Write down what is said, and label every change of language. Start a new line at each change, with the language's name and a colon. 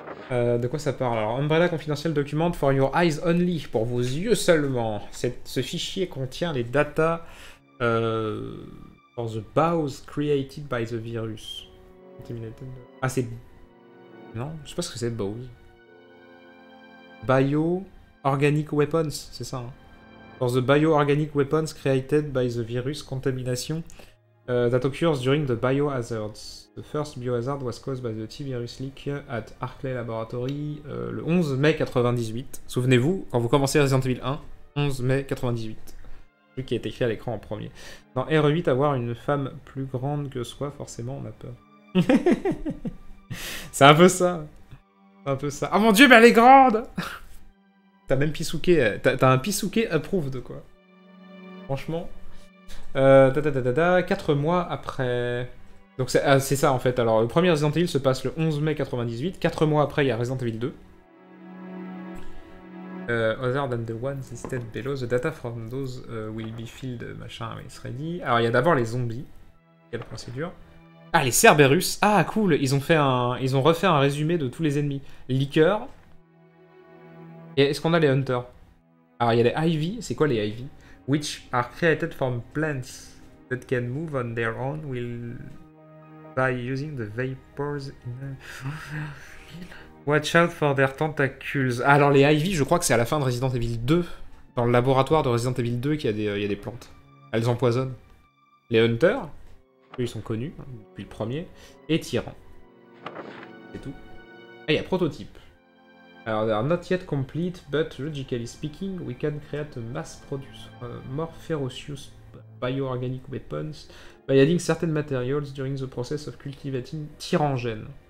French: De quoi ça parle? Alors,
English: Umbrella Confidential Document for Your Eyes Only,
French: pour vos yeux seulement. Ce fichier contient les
English: data for the BOWS created by the virus.
French: Ah, c'est... Non, je sais pas ce que c'est, BOWS. Bio Organic Weapons, c'est ça. Hein.
English: For the Bio Organic Weapons created by the virus contamination that occurs during the biohazards. The first biohazard was caused by the T-virus leak at Arclay Laboratory
French: le 11 mai 98. Souvenez-vous, quand vous commencez Resident Evil 1, 11 mai 98. Celui qui est écrit à l'écran en premier. Dans RE8, avoir une femme plus grande que soi, forcément, on a peur. C'est un peu ça. C'est un peu ça. Oh mon dieu, mais elle est grande. T'as même Pisuke. T'as un Pisuke approuve de quoi. Franchement. 4 mois après... Donc c'est ça, en fait. Alors, le premier Resident Evil se passe le 11 mai 98. 4 mois après, il y a Resident Evil 2.
English: Other than the ones listed below, the data from those will be filled,
French: machin,
English: it's ready.
French: Alors, il y a d'abord les zombies. Quelle procédure? Ah, les Cerberus! Ah, cool! Ils ont refait un résumé de tous les ennemis. Leaker. Et est-ce qu'on a les Hunters? Alors, il y a les Ivy. C'est quoi les Ivy?
English: Which are created from plants that can move on their own will... by using the vapors in the... Watch out for their tentacles.
French: Alors les Ivy, je crois que c'est à la fin de Resident Evil 2. Dans le laboratoire de Resident Evil 2 qu'il y a des plantes. Elles empoisonnent. Les Hunters, eux ils sont connus, depuis le premier. Et Tyrant. C'est tout. Ah, il y a prototype. Alors,
English: they are not yet complete, but logically speaking, we can create a mass produce more ferocious bioorganic weapons by adding certain materials during the process of cultivating Tyrant gene.